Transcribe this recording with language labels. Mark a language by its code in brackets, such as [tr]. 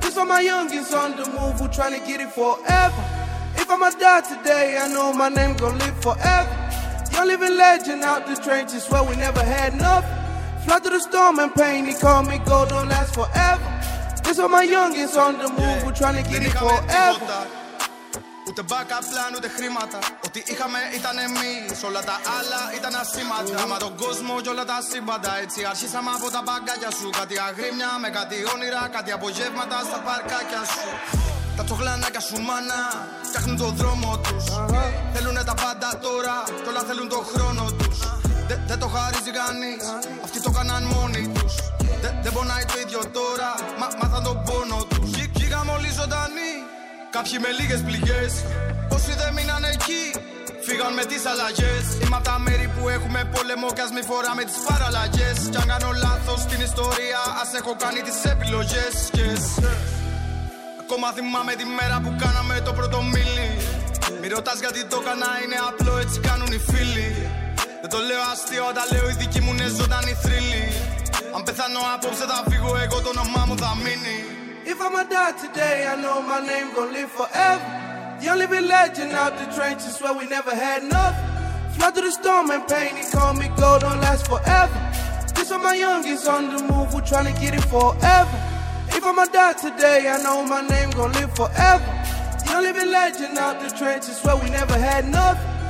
[en] This all my youngins on the move, who tryna get it forever. If I'ma die today, I know my name gon' live forever. You're living legend out the trenches, swear we never had enough. Flood through the storm and pain, he called me gold, don't last forever. This all my youngins on the move, who tryna get it forever. [el] Ούτε backup plan, ούτε χρήματα. Ό,τι είχαμε ήταν εμείς. Όλα τα άλλα ήταν ασήμαντα. Μα τον κόσμο κι όλα τα σύμπαντα. Έτσι αρχίσαμε από τα μπαγκάκια σου. Κάτι αγρίμια με κάτι όνειρα. Κάτι απογεύματα στα παρκάκια σου. Τα τσοχλανάκια σου μάνα φτιάχνουν τον δρόμο τους. Θέλουνε τα πάντα τώρα κι όλα θέλουν τον χρόνο τους. Δεν το χαρίζει κανείς. Αυτοί το έκαναν μόνοι τους. Δεν πονάει το ίδιο τώρα. Μάθαν τον πόνο τους. Βγήκαμε όλοι ζωντανοί. Κάποιοι με λίγες πληγές. Όσοι δεν μείναν εκεί, φύγαν με τις αλλαγές. Είμαι από τα μέρη που έχουμε πόλεμο κι ας μη φοράμε τις παραλλαγές. Κι αν κάνω λάθος στην ιστορία, ας έχω κάνει τις επιλογές. Ακόμα θυμάμαι τη μέρα που κάναμε το πρώτο μίλι. Μη ρωτάς γιατί το έκανα, είναι απλό, έτσι κάνουν οι φίλοι. Δεν το λέω αστείο, όταν λέω η δική μου είναι ζωντανή θρύλη. Αν πεθάνω απόψε θα φύγω εγώ, το όνομά μου θα μείνει. [en] If I'ma die today, I know my name gon' live forever. You're living legend out the trenches where we never had enough. Flood through the storm and pain, he called me gold, don't last forever. This one my youngest on the move, we're tryna get it forever. If I'ma die today, I know my name gon' live forever. You're living legend out the trenches where we never had enough.